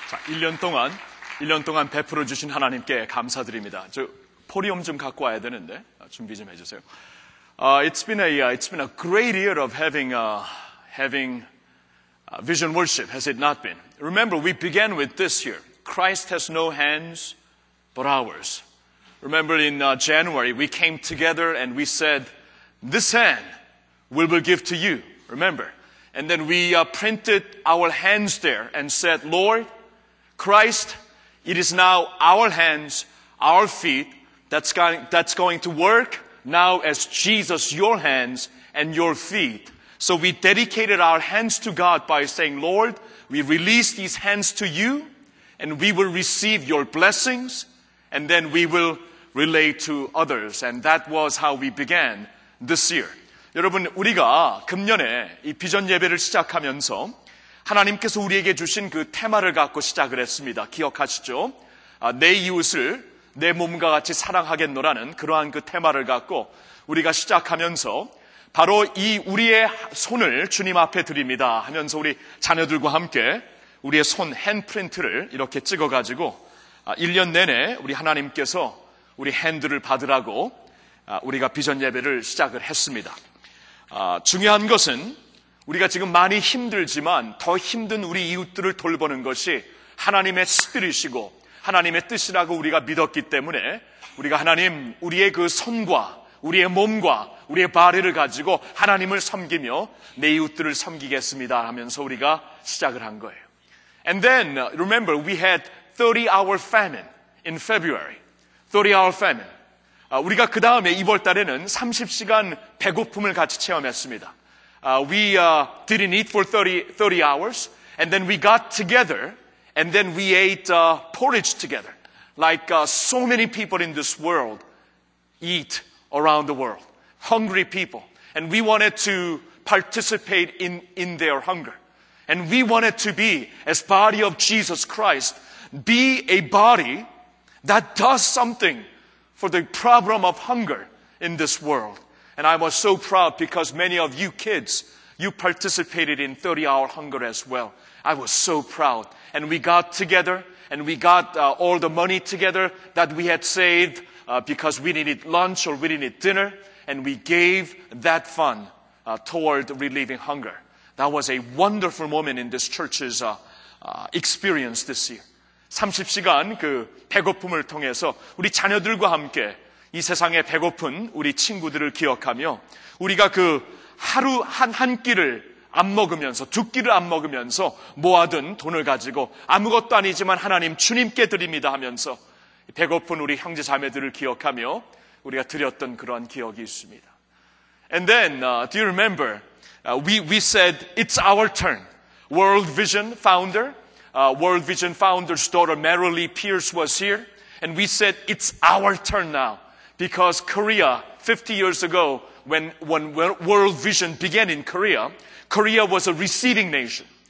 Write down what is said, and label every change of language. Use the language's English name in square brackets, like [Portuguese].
[Korean] 1년 동안. 자, 1년 동안 베풀어 주신 하나님께 감사드립니다. 포리움 좀 갖고 와야 되는데 준비 좀 해주세요. [English] It's been a great year of having vision worship, has it not been? Remember, we began with this year. Christ has no hands but ours. Remember, in January we came together and we said, "This hand we will give to you." Remember, and then we printed our hands there and said, "Lord Christ, it is now our hands, our feet." That's going to work now as Jesus, your hands and your feet. So we dedicated our hands to God by saying, Lord, we release these hands to you and we will receive your blessings and then we will relate to others. And that was how we began this year. [Korean] 여러분, 우리가 금년에 이 비전 예배를 시작하면서 하나님께서 우리에게 주신 그 테마를 갖고 시작을 했습니다. 기억하시죠? 내 이웃을 내 몸과 같이 사랑하겠노라는 그러한 그 테마를 갖고 우리가 시작하면서 바로 이 우리의 손을 주님 앞에 드립니다 하면서 우리 자녀들과 함께 우리의 손 핸드프린트를 이렇게 찍어가지고 1년 내내 우리 하나님께서 우리 핸드를 받으라고 우리가 비전 예배를 시작을 했습니다. 중요한 것은 우리가 지금 많이 힘들지만 더 힘든 우리 이웃들을 돌보는 것이 하나님의 스피릿이고 하나님의 뜻이라고 우리가 믿었기 때문에 우리가 하나님 우리의 그 손과 우리의 몸과 우리의 바리를 가지고 하나님을 섬기며 내 이웃들을 섬기겠습니다 하면서 우리가 시작을 한 거예요. [English] And then remember we had 30-hour famine in February. 30-hour famine. [Korean] 우리가 그 다음에 2월 달에는 30시간 배고픔을 같이 체험했습니다. [English] We didn't eat for 30 hours and then we got together. And then we ate porridge together, like so many people in this world eat around the world, hungry people. And we wanted to participate in their hunger. And we wanted to be, as body of Jesus Christ, be a body that does something for the problem of hunger in this world. And I was so proud because many of you kids, you participated in 30-hour hunger as well. I was so proud. And we got together and we got all the money together that we had saved because we needed lunch or we needed dinner. And we gave that fund toward relieving hunger. That was a wonderful moment in this church's experience this year. [Korean] 30시간 그 배고픔을 통해서 우리 자녀들과 함께 이 세상에 배고픈 우리 친구들을 기억하며 우리가 그 하루 한 끼를 안 먹으면서 두 끼를 안 먹으면서 모아둔 돈을 가지고 아무것도 아니지만 하나님 주님께 드립니다 하면서 배고픈 우리 형제 자매들을 기억하며 우리가 드렸던 그러한 기억이 있습니다. [English] And then, do you remember, we said, it's our turn. World Vision founder, World Vision founder's daughter Meryl Lee Pierce was here. And we said, it's our turn now. Because Korea, 50 years ago, when World Vision began in Korea, Korea was a receiving nation.